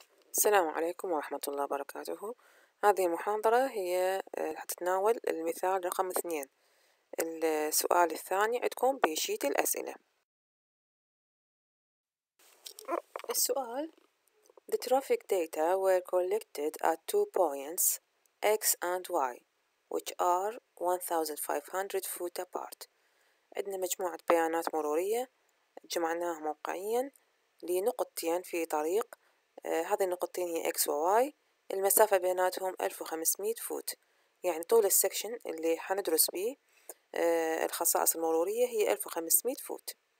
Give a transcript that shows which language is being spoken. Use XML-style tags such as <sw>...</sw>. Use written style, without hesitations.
<ar>السلام عليكم ورحمة الله وبركاته. هذه المحاضرة هي هتتناول المثال رقم 2. السؤال الثاني عندكم بشيت الأسئلة. السؤال:</ar> <en>The traffic data were collected at two points X and Y which are 1500 foot apart.</en> <ar>عندنا مجموعة بيانات مرورية جمعناها موقعيا لنقطتين في طريق. هذه النقطتين هي X و Y، المسافة بيناتهم 1500 فوت، يعني طول السكشن اللي حندرس به الخصائص المرورية هي 1500 فوت.</ar>